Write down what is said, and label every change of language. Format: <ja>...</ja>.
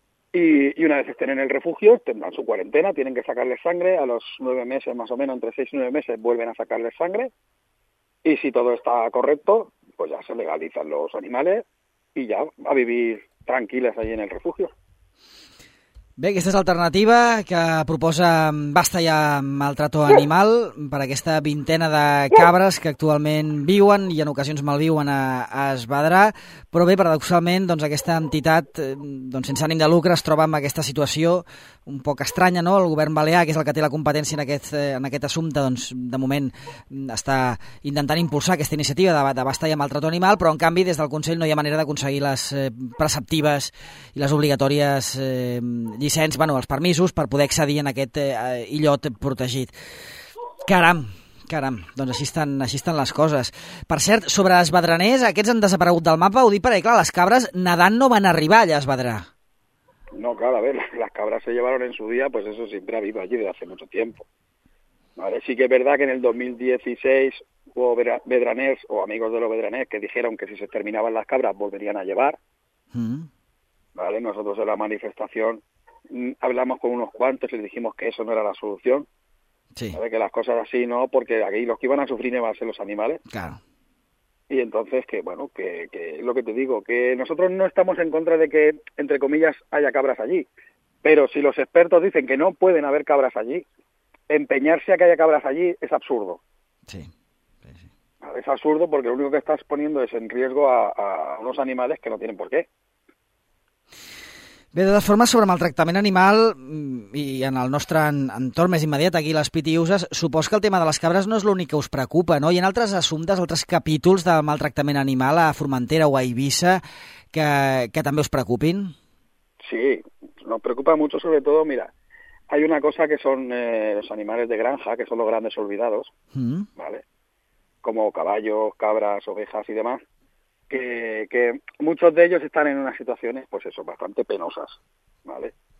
<es>Y una vez estén en el refugio, tendrán su cuarentena, tienen que sacarle sangre, a los 9 meses más o menos, entre 6 y 9 meses, vuelven a sacarle sangre, y si todo está correcto, pues ya se legalizan los animales y ya a vivir</es> <ca>tranquil·les allà</ca> <es>en el refugio.</es> <ca>Bé, aquesta és l'alternativa que proposa Basta ja Maltrato Animal per aquesta vintena de cabres que actualment viuen i en ocasions malviuen a Es Vedrà, però bé, paradoxalment, doncs aquesta entitat, doncs sense ànim de lucre, es troba amb aquesta situació un poc estranya, no? El govern balear, que és el que té la competència en aquest assumpte, doncs de moment està intentant impulsar aquesta iniciativa de Basta ja Maltrato Animal, però en canvi des del Consell no hi ha manera d'aconseguir les preceptives i les obligatòries llicències, bueno, els permisos per poder accedir en aquest illot protegit. Caram, doncs així estan les coses. Per cert, sobre els vedraners, aquests han desaparegut del mapa, ho dic perquè, clar, les cabres nedant no van arribar allà a Es Vedrà. No, clar, a veure, les cabres</ca> <es>se llevaron en su día, pues eso siempre ha habido allí desde hace mucho tiempo. Vale, sí que es verdad que en el 2016 hubo vedraners o amigos de los vedraners que dijeron que si se terminaban las cabras volverían a llevar. Vale, nosotros en la manifestación hablamos con unos cuantos y les dijimos que eso no era la solución. Sí. ¿Vale? Que las cosas así no, porque aquí los que iban a sufrir iban a ser los animales. Claro. Y entonces, que bueno, que lo que te digo, que nosotros no estamos en contra de que, entre comillas, haya cabras allí. Pero si los expertos dicen que no pueden haber cabras allí, empeñarse a que haya cabras allí es absurdo. Sí. ¿Vale? Es absurdo porque lo único que estás poniendo es en riesgo a unos animales que no tienen por qué.</es> <ca>Bé, de forma sobre maltractament animal i en el nostre entorn més immediat aquí les Pitiuses, supos que el tema de les cabres no és l'únic que us preocupa, no? Hi ha altres assumptes, altres capítols de maltractament animal a Formentera o a Eivissa que també us preocupin?</ca> <es>Sí, nos preocupa mucho sobre todo, mira, hay una cosa que son los animales de granja, que son los grandes olvidados, ¿vale? Como caballos, cabras, ovejas y demás. Que muchos de ellos están en unas situaciones, pues eso, bastante penosas, ¿vale?</es>